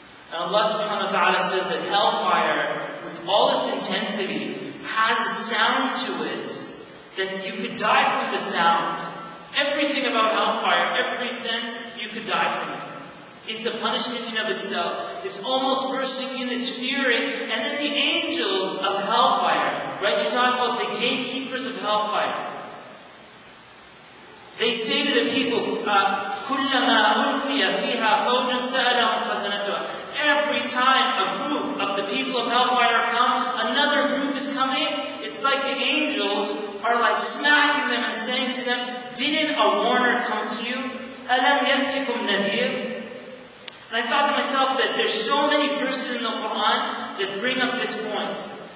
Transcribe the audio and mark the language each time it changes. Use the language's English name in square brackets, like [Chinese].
[English] And Allah subhanahu wa ta'ala says that hellfire, with all its intensity, has a sound to it that you could die from the sound. Everything about hellfire, every sense, you could die from it. It's a punishment in of itself. It's almost bursting in its fury. And then the angels of hellfire, right? You talk about the gatekeepers of hellfire. [Arabic] They say to the people, كُلَّمَا أُلْقِيَ فِيهَا فَوْجٌ سَأَلَهُمْ خَزَنَتُهَا. [English] Every time a group of the people of hellfire come, another group is coming. It's like the angels are like smacking them and saying to them, didn't a warner come to you? [Arabic] أَلَمْ يَأْتِكُمْ نَذِيرٌ. [English] And I thought to myself that there's so many verses in the Quran that bring up this point.